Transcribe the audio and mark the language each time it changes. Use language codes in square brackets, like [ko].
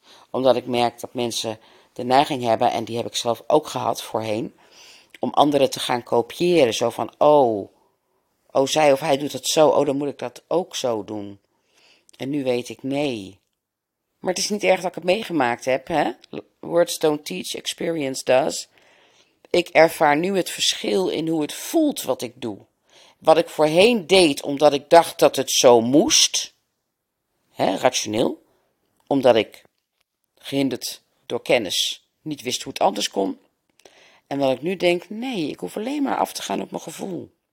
[nl] Omdat ik merk dat mensen de neiging hebben, en die heb ik zelf ook gehad voorheen, om anderen te gaan kopiëren. Zo van, oh, zij of hij doet dat zo, oh, dan moet ik dat ook zo doen. En nu weet ik, nee. Maar het is niet erg dat ik het meegemaakt heb, hè? [en] Words don't teach, experience does. [nl] Ik ervaar nu het verschil in hoe het voelt wat ik doe. Wat ik voorheen deed omdat ik dacht dat het zo moest, hè, rationeel, omdat ik gehinderd door kennis niet wist hoe het anders kon. En wat ik nu denk, nee, ik hoef alleen maar af te gaan op mijn gevoel.